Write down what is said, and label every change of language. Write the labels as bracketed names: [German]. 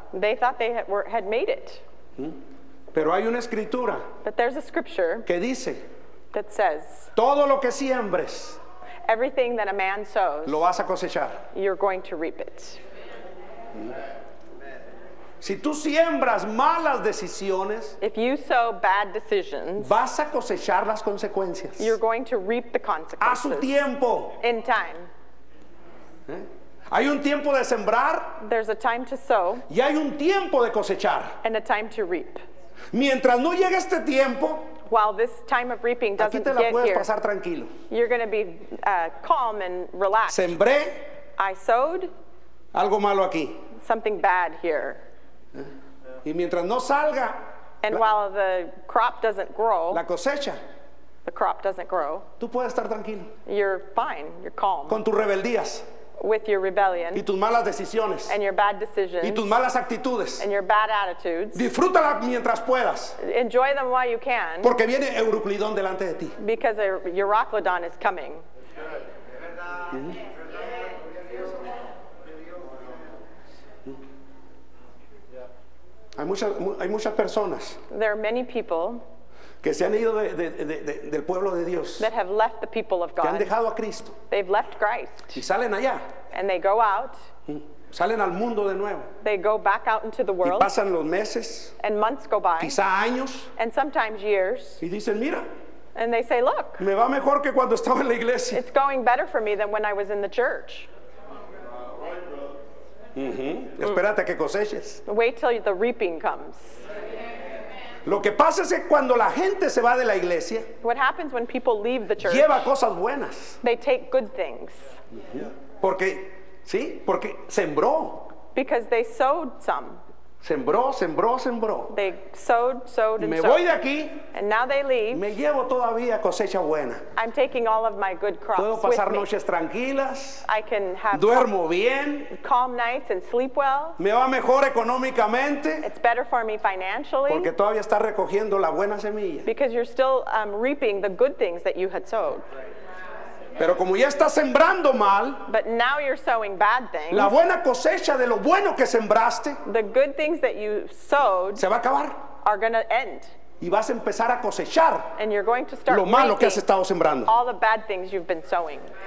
[English] They thought they had made it. [Spanish] Pero hay una escritura. [English] But there's a scripture. [Spanish] Que dice. [English] That says. [Spanish] Todo lo que siembres. [English] Everything that a man sows. [Spanish] Lo vas a cosechar. [English] You're going to reap it. [Spanish] Si tú siembras malas decisiones, [English] if you sow bad decisions, [Spanish] vas a cosechar las consecuencias. [English] You're going to reap the consequences. [Spanish] A su tiempo. [English] In time. [Spanish] Hay un tiempo de sembrar. [English] There's a time to sow. [Spanish] Y hay un tiempo de cosechar. [English] And a time to reap. [Spanish] Mientras no llegue este tiempo, [English] while this time of reaping doesn't [Spanish] aquí te la [English] get [Spanish] puedes [English] here, [Spanish] pasar tranquilo. [English] You're going to be calm and relaxed. [Spanish] Sembré. [English] I sowed. [Spanish] Algo malo aquí. [English] Something bad here. [Spanish] Y mientras no salga, [English] and while the crop doesn't grow, [Spanish] la cosecha, [English] the crop doesn't grow, [Spanish] tú puedes estar tranquilo. [English] You're fine, you're calm. [Spanish] Con tus rebeldías, [English] with your rebellion, [Spanish] y tus malas decisiones, [English] and your bad decisions, [Spanish] y tus malas actitudes, [English] and your bad attitudes. [Spanish] Disfrútala mientras puedas. [English] Enjoy them while you can. [Spanish] Porque viene Euroclidón delante de ti. [English] Because a Eurocladon is coming. [Spanish] Hay muchas personas. [English] There are many people [Spanish] que se han ido del pueblo de Dios. [English] That have left the people of God. [Spanish] Que han dejado a Cristo. [English] They've left Christ. [Spanish] Y salen allá. [English] And they go out. [Spanish] Salen al mundo de nuevo. [English] They go back out into the world. [Spanish] Y pasan los meses. [English] And months go by. [Spanish] Quizá años. [English] And sometimes years. [Spanish] Y dicen, mira. [English] And they say, look. [Spanish] Me va mejor que cuando estaba en la iglesia. [English] It's going better for me than when I was in the church. [Spanish] Espérate que coseches. [English] Wait till the reaping comes. [Spanish] Lo que pasa es que cuando la gente se va de la iglesia, [English] what happens when people leave the church, [Spanish] lleva cosas buenas. [English] They take good things. [Spanish] Porque, sí, porque sembró. [English] Because they sowed some. [Spanish] Sembró. [English] They sowed, sowed, and [Spanish] me [English] sowed. [Spanish] Voy de aquí. [English] And now they leave. [Spanish] Me llevo todavía cosecha buena. [English] I'm taking all of my good crops. [Spanish] Puedo pasar [English] with [Spanish] noches [English] me. [Spanish] Tranquilas. [English] I can have [Spanish] duermo bien. [English] Calm nights and sleep well. [Spanish] Me va mejor económicamente. [English] It's better for me financially. [Spanish] Porque todavía está recogiendo la buena semilla. [English] Because you're still reaping the good things that you had sowed. [Spanish] Pero como ya estás sembrando mal, [English] but now you're sowing bad things, [Spanish] la buena cosecha de lo bueno que sembraste, [English] the good things that you sowed, [Spanish] se va a acabar, [English] are going to end, [Spanish] y vas a empezar a cosechar, [English] and you're going to start [Spanish] lo malo que has estado sembrando, [English] all the bad things you've been sowing.